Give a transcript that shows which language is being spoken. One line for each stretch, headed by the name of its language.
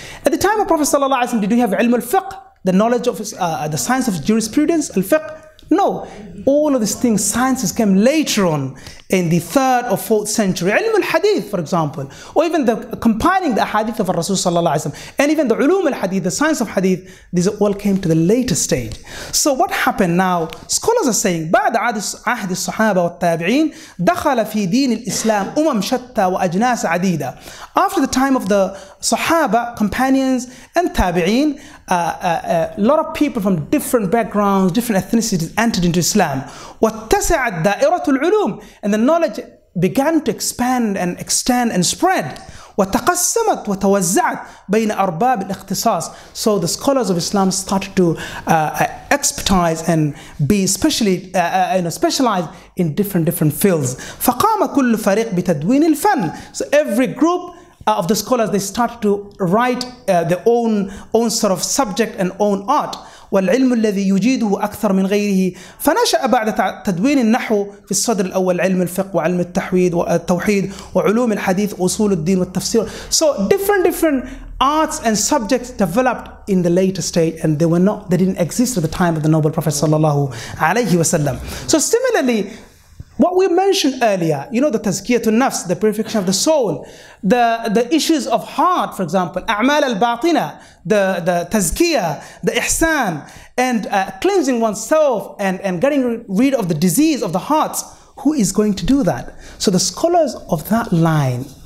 English: At the time of Prophet Sallallahu Alaihi Wasallam, did we have ilm al-fiqh, the knowledge of the science of jurisprudence, al-fiqh? No, all of these things, sciences came later on in the 3rd or 4th century. Ilm al-hadith, for example, or even the compiling the hadith of Rasul Sallallahu Alaihi Wasallam, and even the ulum al-hadith, the science of hadith, these all came to the later stage. So what happened now? Scholars are saying,
Arabic: بعد عهد الصحابة والتابعين دخل في دين الإسلام أمم شتى وأجناس عديدة.
English: After the time of the Sahaba, companions, and tabi'een, a lot of people from different backgrounds, different ethnicities entered into Islam.
Arabic: وَاتَّسَعَتْ دَائِرَةُ الْعُلُومِ.
English: And the knowledge began to expand and extend and spread.
Arabic: وَتَقَسَّمَتْ وَتَوَزَّعَتْ بَيْنَ أَرْبَابِ الْإِخْتِصَاصِ.
English: So the scholars of Islam started to expertise and be specialized in different fields.
Arabic: فَقَامَ كُلُّ فَرِيقٍ بِتَدْوِينِ الْفَنِ.
English: So every group of the scholars, they started to write their own sort of subject and own art.
Arabic: والعلم الذي يجيده أكثر من غيره فنشأ بعد تدوين النحو في الصدر الأول علم الفقه وعلم التحويد والتوحيد وعلوم الحديث وصول الدين والتفسير.
English: So different arts and subjects developed in the later stage, and they didn't exist at the time of the Noble Prophet sallallahu alaihi wasallam. So similarly, what we mentioned earlier, you know, the tazkiyatun nafs, the purification of the soul, the issues of heart, for example, a'mal al-batina, the tazkiyah, the ihsan, and cleansing oneself and getting rid of the disease of the hearts, who is going to do that? So the scholars of that line,